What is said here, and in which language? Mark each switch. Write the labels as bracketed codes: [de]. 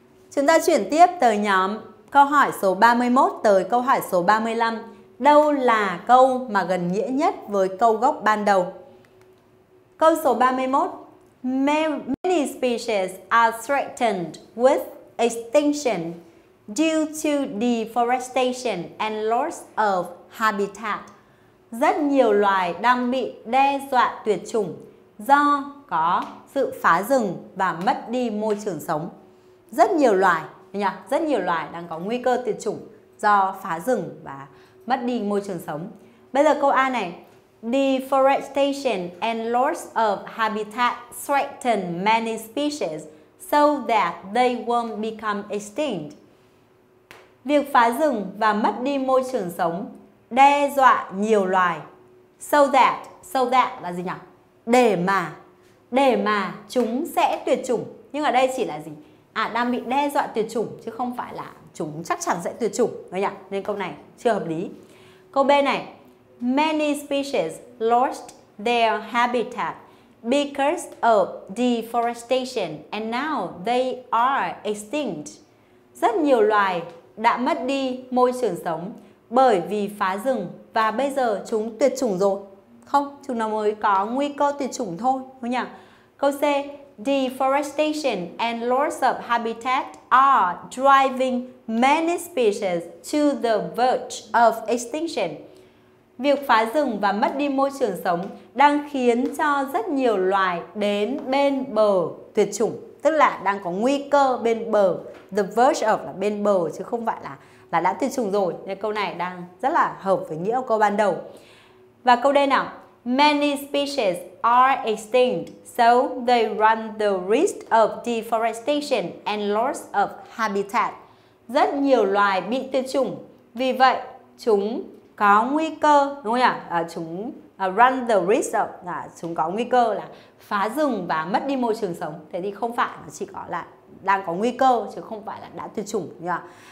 [vi] Chúng ta chuyển tiếp từ nhóm câu hỏi số 31 tới câu hỏi số 35. Đâu là câu mà gần nghĩa nhất với câu gốc ban đầu? Câu số 31. [en] Many species are threatened with extinction due to deforestation and loss of habitat. [vi] Rất nhiều loài đang bị đe dọa tuyệt chủng do có sự phá rừng và mất đi môi trường sống. Rất nhiều loài, nhỉ? Rất nhiều loài đang có nguy cơ tuyệt chủng do phá rừng và mất đi môi trường sống. Bây giờ câu A này. [en] Deforestation and loss of habitat threaten many species so that they won't become extinct. [vi] Việc phá rừng và mất đi môi trường sống đe dọa nhiều loài. So that là gì nhỉ? Để mà chúng sẽ tuyệt chủng. Nhưng ở đây chỉ là gì? À, đang bị đe dọa tuyệt chủng chứ không phải là chúng chắc chắn sẽ tuyệt chủng, đúng không nhỉ? Nên câu này chưa hợp lý. Câu B này. [en] Many species lost their habitat because of deforestation and now they are extinct. [vi] Rất nhiều loài đã mất đi môi trường sống bởi vì phá rừng và bây giờ chúng tuyệt chủng rồi. Không, chúng nó mới có nguy cơ tuyệt chủng thôi, đúng nhỉ? Câu C, [en] deforestation and loss of habitat are driving many species to the verge of extinction. [vi] Việc phá rừng và mất đi môi trường sống đang khiến cho rất nhiều loài đến bên bờ tuyệt chủng, tức là đang có nguy cơ bên bờ, [en] the verge of [vi] là bên bờ chứ không phải là đã tuyệt chủng rồi. Nên câu này đang rất là hợp với nghĩa của câu ban đầu. Và câu D nào? [en] Many species are extinct, so they run the risk of deforestation and loss of habitat. [vi] Rất nhiều loài bị tuyệt chủng, vì vậy chúng có nguy cơ, đúng không nhỉ? [en] Run the risk of, [vi] là chúng có nguy cơ là phá rừng và mất đi môi trường sống. Thế thì không phải là chỉ có là đang có nguy cơ chứ không phải là đã tuyệt chủng, đúng không?